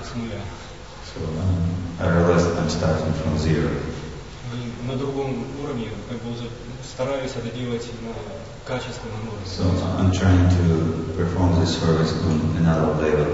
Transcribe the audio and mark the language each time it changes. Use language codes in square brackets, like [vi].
[en] So I realize that I'm starting from zero. [ru] На другом уровне, как бы, уже стараюсь это делать на качественном уровне. [en] So I'm trying to perform this service on another level.